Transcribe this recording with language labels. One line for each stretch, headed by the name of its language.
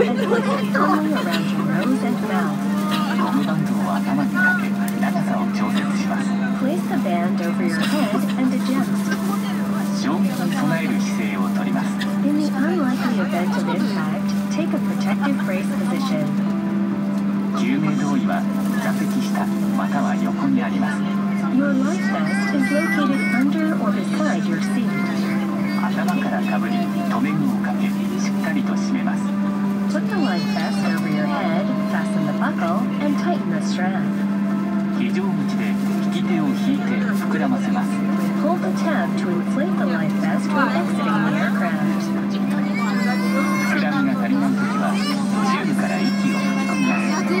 Japanese: ゴムバンドを頭にかけ長さを調節します。衝撃に備える姿勢をとります。救命胴衣は座席下または横にあります。
English: Your life vest is located under or beside your seat.
Japanese: 頭からかぶり、留め具をかけ、しっかりと締めます。
English: Put the life vest over your head, fasten the buckle, and tighten the strap.
Japanese: 非常口で引き手を引いて膨らませます。
English: Pull the tab to inflate the life vest while exiting the aircraft.
Japanese: 膨らみが足りないときは、チューブから息を吹き込みます。